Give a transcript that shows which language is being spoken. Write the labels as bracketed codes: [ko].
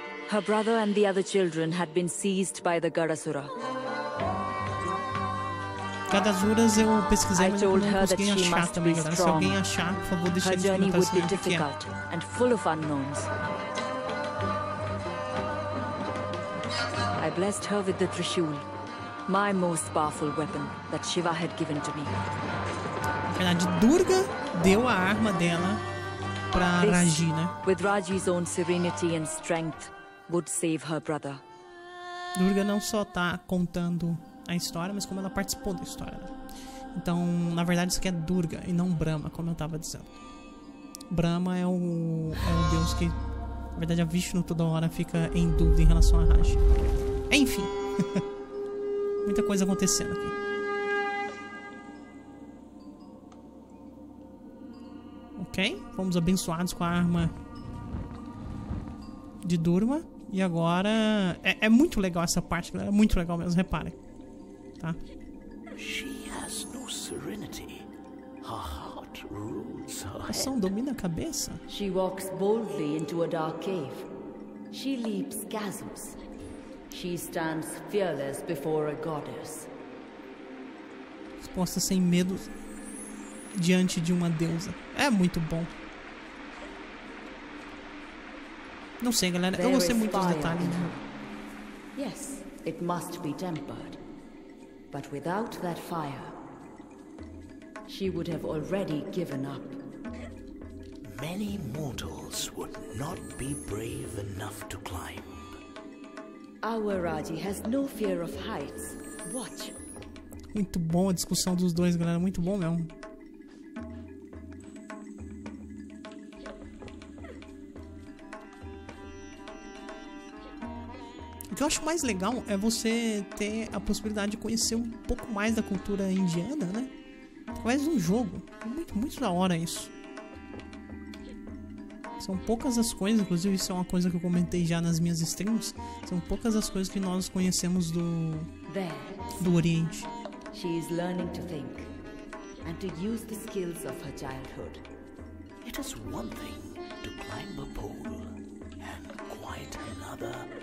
[en] Her brother and the other children had been seized by the Garasura. [pt] Garasuras, eu pesquisei, mas eu não consegui achar também, galera. Se alguém achar, por favor, deixa nos comentários também o que é. [en] And full of unknowns. I blessed her with the Trishul, my most powerful weapon that Shiva had given to me. [pt] Na verdade, Durga deu a arma dela para Raji, né? [en] With Raji's own serenity and strength. Would save her brother. [pt] Durga não só tá contando a história, mas como ela participou da história, né? Então, na verdade, isso aqui é Durga e não Brahma, como eu tava dizendo. Brahma é o deus que, na verdade, a Vishnu toda hora fica em dúvida em relação a Raj. Enfim, muita coisa acontecendo aqui. Ok, fomos abençoados com a arma de Durma. E agora... É muito legal essa parte, galera. É muito legal mesmo, reparem. Tá? Ação domina a cabeça? [en] She walks boldly into a dark cave. She leaps chasms. She stands fearless before a goddess. [pt] Exposta sem medo diante de uma deusa. É muito bom. Não sei, galera. Eu gostei muito dos detalhes. [en] Yes, it must be tempered. But without that fire, she would have already given up. Many mortals would not be brave enough to climb. Our Raji has no fear of heights. Watch. [pt] Muito bom a discussão dos dois, galera. Muito bom mesmo. O que eu acho mais legal é você ter a possibilidade de conhecer um pouco mais da cultura indiana, né? Através de um jogo. Muito, muito da hora isso. São poucas as coisas, inclusive isso é uma coisa que eu comentei já nas minhas streams, são poucas as coisas que nós conhecemos do Oriente. [en] She is learning to think and to use the skills of her childhood. It is one thing to climb a pole and quite another.